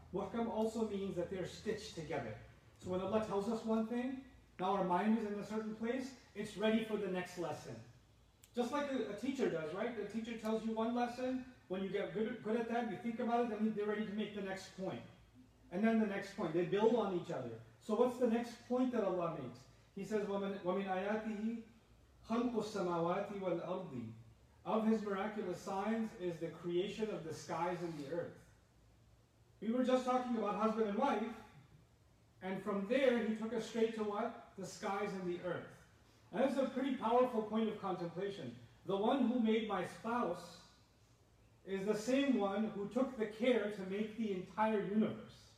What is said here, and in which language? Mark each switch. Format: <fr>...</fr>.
<en>Muhkam also means that they're stitched together. So when Allah tells us one thing, now our mind is in a certain place, it's ready for the next lesson. Just like a teacher does, right? The teacher tells you one lesson, when you get good at that, you think about it, then they're ready to make the next point. And then the next point, they build on each other. So what's the next point that Allah makes? He says,</en> <ar>وَمِنْ آيَاتِهِ خَلْقُ السَّمَاوَاتِ وَالْأَرْضِ.</ar> <en>Of His miraculous signs is the creation of the skies and the earth. We were just talking about husband and wife, and from there He took us straight to what? The skies and the earth. And that's a pretty powerful point of contemplation. The one who made my spouse is the same one who took the care to make the entire universe.</en>